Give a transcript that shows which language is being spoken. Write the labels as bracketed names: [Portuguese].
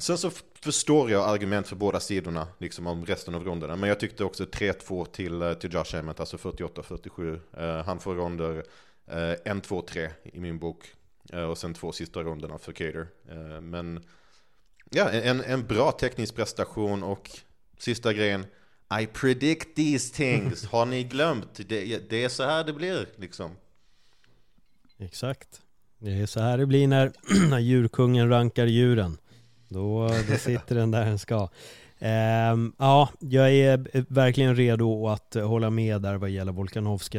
[Swedish] Sen så förstår jag argument för båda sidorna liksom om resten av ronderna. Men jag tyckte också 3-2 till Josh Emmett, alltså 48-47. Han får ronder 1-2-3 i min bok. Och sen två sista ronderna för Kattar. Men ja, en bra teknisk prestation. Och sista grejen, [English] I predict these things. [Swedish] Har ni glömt? Det är så här det blir liksom. Exakt. Det är så här det blir när djurkungen rankar djuren. Då sitter den där den ska. Ja, jag är verkligen redo att hålla med där vad gäller Volkanovski.